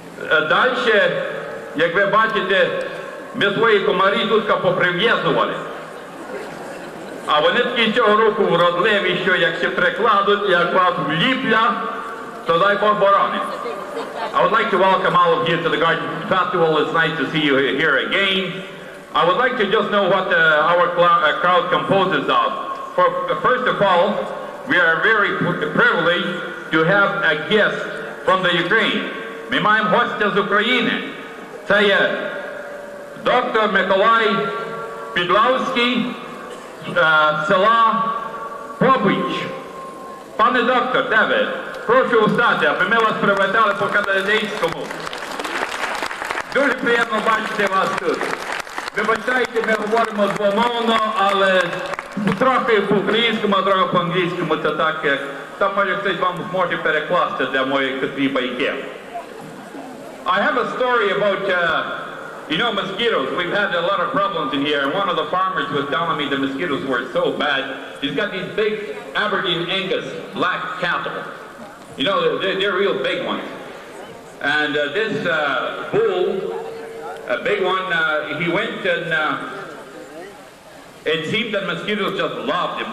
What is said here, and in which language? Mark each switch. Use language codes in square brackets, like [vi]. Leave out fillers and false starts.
[uk] Далі, як ви бачите, ми свої комарі тут поприв'язували. А вони такі цього року вродливі, що як ще прикладуть, як вас вліпля, то дай Бог боронить. [en] I would like to welcome all of you to the Gardenton Festival. It's nice to see you here again. I would like to just know what our crowd composes of. First of all, we are very privileged to have a guest from the Ukraine. [uk] Ми маємо гостя з України. Це є доктор Миколай Підлавський з села Побич. Пане доктор, де ви? Прошу встати, аби ми вас привітали по Канадейському. Дуже приємно бачити вас тут. Вибачайте, ми говоримо двомовно, але трохи по-українському, а трохи по-англійському. Це так, як там може хтось вам зможе перекласти для моїх котрі байки. [en] I have a story about, you know, mosquitoes. We've had a lot of problems in here, and one of the farmers was telling me the mosquitoes were so bad. He's got these big Aberdeen Angus black cattle. You know, they're real big ones. And this bull, a big one, he went and it seemed that mosquitoes just loved him.